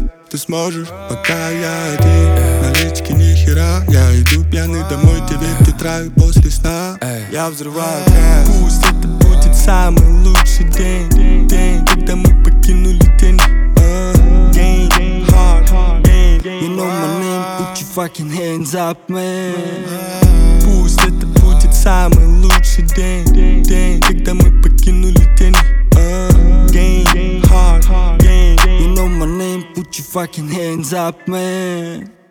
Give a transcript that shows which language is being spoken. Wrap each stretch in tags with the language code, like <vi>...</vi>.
<ru>Ты сможешь, пока я один. Налички нихера. Я иду пьяный домой, 9 утра и после сна. Я взрываю кайф. Пусть это будет самый лучший день, когда мы покинули тени.</ru> <en>Game, hard game. You know my name, put your fucking hands up, man.</en> <ru>Пусть это будет самый лучший день, когда мы покинули тени.</ru> <en>Game, hard game. You know my name, put your fucking hands up, man.</en>